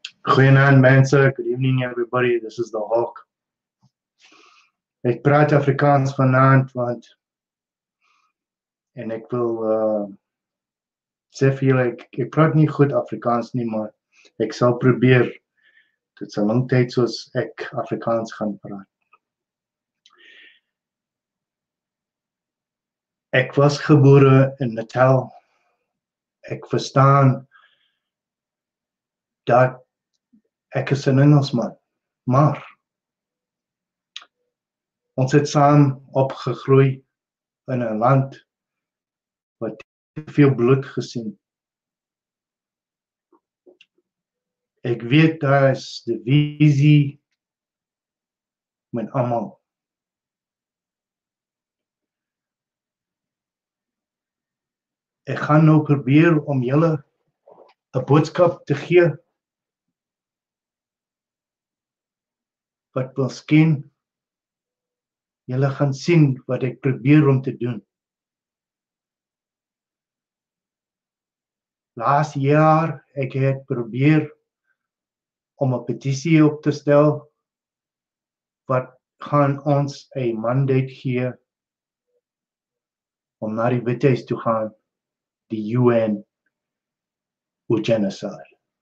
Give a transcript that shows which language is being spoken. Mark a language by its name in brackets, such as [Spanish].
[Afrikaans] Goeienaand mense, [English] good evening everybody, this is the Hawk. [Afrikaans] Ek praat Afrikaans vanaand, want en ek wil sê vir julle, ek praat nie goed Afrikaans nie, maar ek sal probeer tot so lang tyd soos ek Afrikaans gaan praat. Ek was gebore in Natal. Ek verstaan dat ek is een Engelsman, maar ons het saam opgegroei in een land wat veel bloed gesien. Ek weet daar is die visie met allemaal. Ek gaan nou probeer om julle een boodskap te gee wat miskien julle gaan sien wat ek probeer om te doen. Laas jaar ek het probeer om 'n petisie op te stel wat gaan ons 'n mandate gee om na die Witte Huis toe gaan, die UN oor genocide.